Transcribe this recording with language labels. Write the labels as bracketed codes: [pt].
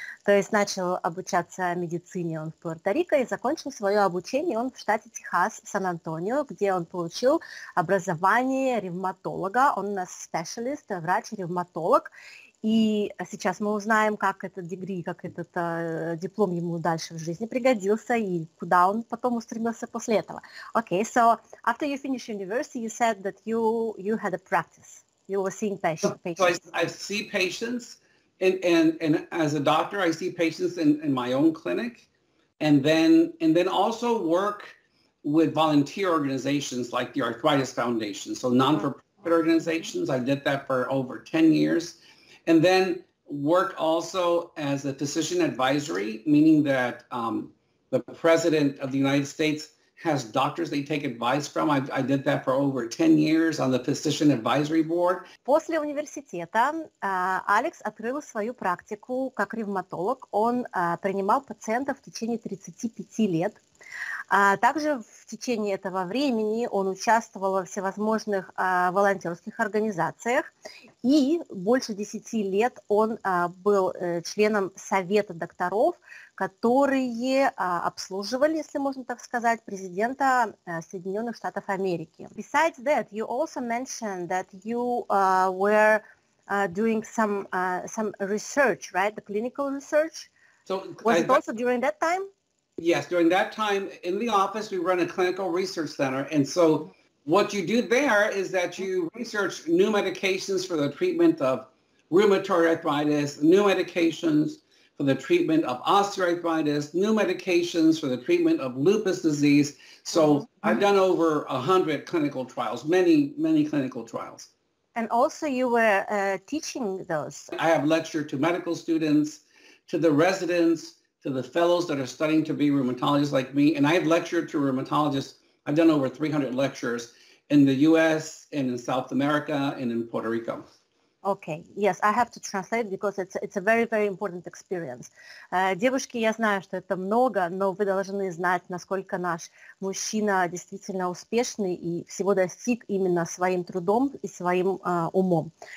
[ru] То есть начал обучаться медицине он в Пуэрто-Рико и закончил свое обучение он в штате Техас, Сан-Антонио, где он получил образование ревматолога. Он у нас специалист, врач-ревматолог. И сейчас мы узнаем, как этот дегри, как этот диплом ему дальше в жизни пригодился и куда он потом устремился после этого. [en] Okay, so after you finished university, you said that you had a practice. You were seeing patients. So I see patients, and as a doctor, I see patients in my own clinic, and then also work with volunteer organizations like the Arthritis Foundation, so non-for-profit organizations. I did that for over 10 years. And then work also as a physician advisory, meaning that the president of the United States has doctors they take advice from. I did that for over 10 years on the physician advisory board. [ru] После университета Алекс открыл свою практику как ревматолог. Он принимал пациентов в течение 35 лет. Также в течение этого времени он участвовал во всевозможных волонтерских организациях, и больше 10 лет он был членом совета докторов, которые обслуживали, если можно так сказать, президента Соединенных Штатов Америки. [en] Besides that, you also mentioned that you were doing some research, right? The clinical research. So, was it also during that time? Yes, during that time in the office, we run a clinical research center. And so what you do there is that you research new medications for the treatment of rheumatoid arthritis, new medications for the treatment of osteoarthritis, new medications for the treatment of lupus disease. So I've done over 100 clinical trials, many, many clinical trials. And also you were teaching those. I have lectured to medical students, to the residents, to the fellows that are studying to be rheumatologists like me. And I've lectured to rheumatologists. I've done over 300 lectures in the US and in South America and in Puerto Rico. Okay, yes, I have to translate because it's a very, very important experience. [ru] Девушки, я знаю, что это много, но вы должны знать, насколько наш мужчина действительно успешный и всего достиг именно своим трудом и своим умом.